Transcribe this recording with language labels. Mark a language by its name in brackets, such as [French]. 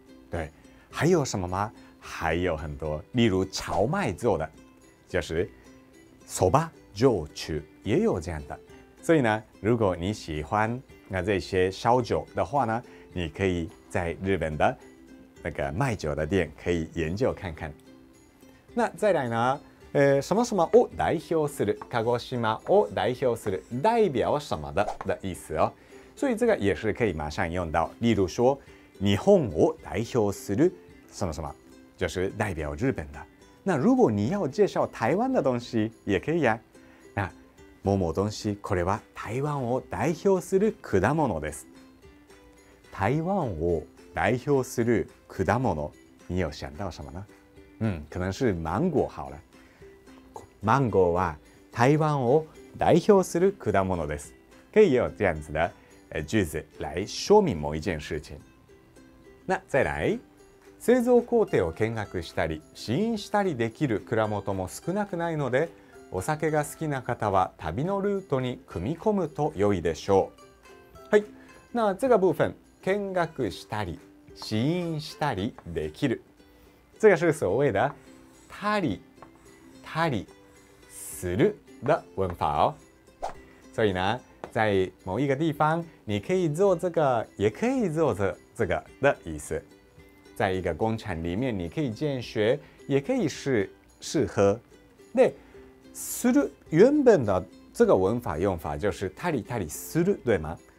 [Chinese] 对，还有什么吗？还有很多，例如荞麦做的，就是そば焼酎，也有这样的。所以呢，如果你喜欢那这些烧酒的话呢，你可以在日本的那个卖酒的店可以研究看看。那再来呢，什么什么を代表する，鹿児島を代表する，代表什么的意思哦。所以这个也是可以马上用到，例如说日本を代表する什么什么，就是代表日本的。那如果你要介绍台湾的东西也可以啊，那某某东西 [Japanese] これは台湾を代表する果物です。台湾を代表する果物， [Chinese] 你有想到什么呢？可能是芒果好了， [Japanese] 芒果は台湾を代表する果物です。 [Chinese] 可以有这样子的句子来说明某一件事情。那再来， [Japanese] 製造工程を見学したり試飲したりできる蔵元も少なくないので、お酒が好きな方は旅のルートに組み込むと良いでしょう。 [Chinese] はい、那这个部分，見学したり試飲したりできる，这个是所谓的たりたりする的文法哦。所以呢，在某一个地方你可以做这个也可以做这个的意思。在一个工厂里面，你可以见学，也可以试喝。那する原本的这个文法用法就是たりたりする，对吗？